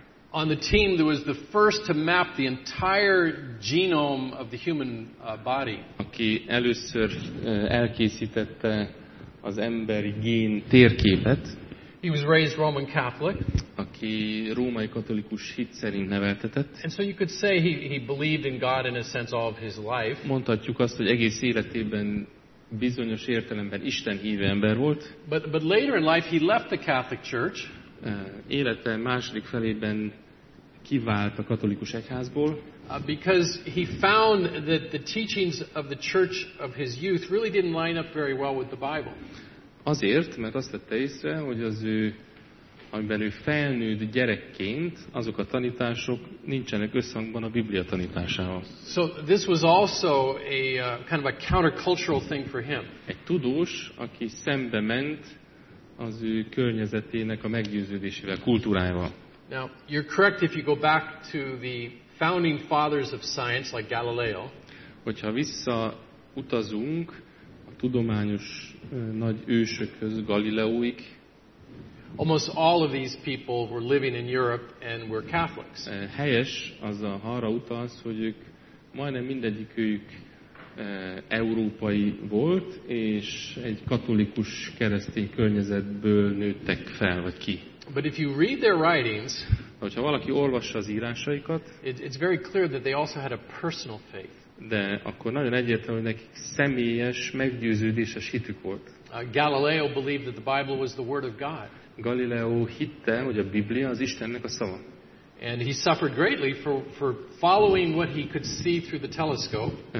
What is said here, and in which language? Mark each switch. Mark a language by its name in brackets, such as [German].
[English] On the team that was the first to map the entire genome of the human body. [Hungarian] Aki először elkészítette az emberi gén térképet. [English] He was raised Roman Catholic. [Hungarian] Aki római katolikus hit szerint neveltetett. [English] And so you could say he believed in God in a sense all of his life. [Hungarian] Mondhatjuk azt, hogy egész életében bizonyos értelemben Isten hívő ember volt. [English] But later in life he left the Catholic Church. [Hungarian] Élete második felében kivált a katolikus egyházból. [English] Because he found that the teachings of the church of his youth really didn't line up very well with the Bible. [Hungarian] Azért, mert azt vette észre, hogy az ő, amiben ő felnőtt gyerekként, azok a tanítások nincsenek összhangban a Biblia tanításával. [English] So this was also a kind of a countercultural thing for him. [Hungarian] Egy tudós, aki szembe ment az ő környezetének a meggyőződésével, kultúrájával. [English] Now, you're correct if you go back to the founding fathers of science, like Galileo. [Hungarian] Hogyha visszautazunk a tudományos nagy ősökhöz, Galileóig. [English] Almost all of these people were living in Europe and were Catholics. [Hungarian] Helyes az, ha arra utalsz, hogy ők majdnem mindegyikük európai volt, és egy katolikus keresztény környezetből nőttek fel, vagy ki. [English] But if you read their writings, [Hungarian] hogyha valaki olvassa az írásaikat, [English] it's very clear that they also had a personal faith. [Hungarian] De akkor nagyon egyértelmű, hogy nekik személyes, meggyőződéses hitük volt. [English] Galileo believed that the Bible was the word of God. [Hungarian] Galileo hitte, hogy a Biblia az Istennek a szava. [English] And he suffered greatly for following what he could see through the telescope.